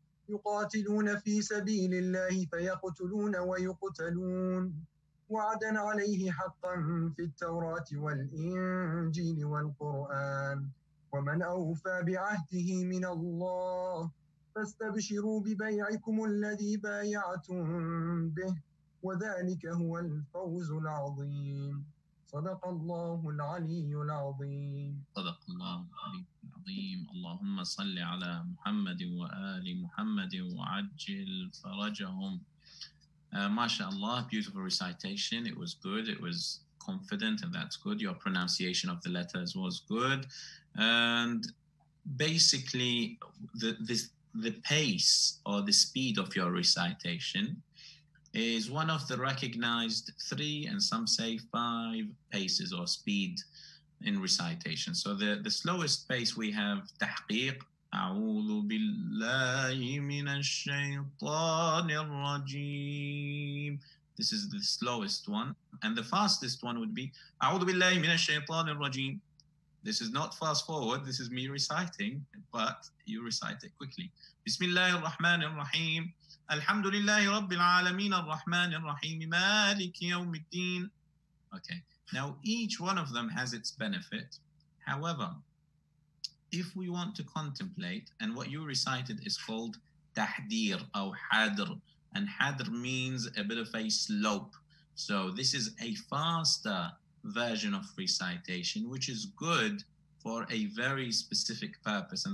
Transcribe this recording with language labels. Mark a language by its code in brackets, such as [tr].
[ar] يقاتلون في سبيل الله فيقتلون ويقتلون وعدا عليه حقا في التوراة والإنجيل والقرآن ومن أوفى بعهده من الله فاستبشروا ببيعكم الذي بايعتم به وذلك هو الفوز العظيم صدق الله العلي العظيم صدق الله العلي العظيم اللهم صل على محمد وآل محمد وعجل فرجهم. [en] MashaAllah, beautiful recitation. It was good. It was confident, and that's good. Your pronunciation of the letters was good. And basically, the pace or the speed of your recitation is one of the recognized three, and some say five, paces or speed in recitation. So the slowest pace we have, tahqiq, [ar] أعوذ بالله من الشيطان الرجيم. [en] This is the slowest one. And the fastest one would be [ar] أعوذ بالله من الشيطان الرجيم. [en] This is not fast forward. This is me reciting, but you recite it quickly. [ar] بسم الله الرحمن الرحيم. الحمد لله رب العالمين الرحمن الرحيم مالك يوم الدين. [en] Okay. Now each one of them has its benefit. However, if we want to contemplate, and what you recited is called tahdir or hadr, and hadr means a bit of a slope. So this is a faster version of recitation, which is good for a very specific purpose.